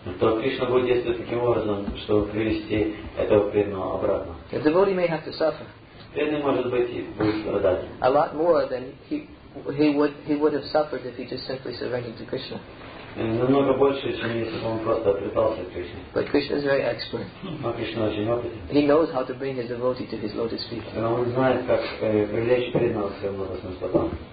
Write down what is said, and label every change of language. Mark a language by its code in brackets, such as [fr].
[ru] То Кришна будет действовать таким образом, чтобы привести этого преданного обратно. [en] The devotee may have to suffer. [ru] Преданный может быть будет страдать. [en] A lot more than he would have suffered if he just simply surrendered to Krishna. [ru] Намного больше, чем если бы он просто отрекался от Кришны. [en] But Krishna is very expert. [ru] Но Кришна очень опытен. [en] He knows how to bring his devotee to his lotus feet. [ru] Он знает, как привлечь преданного к своим лотосным стопам.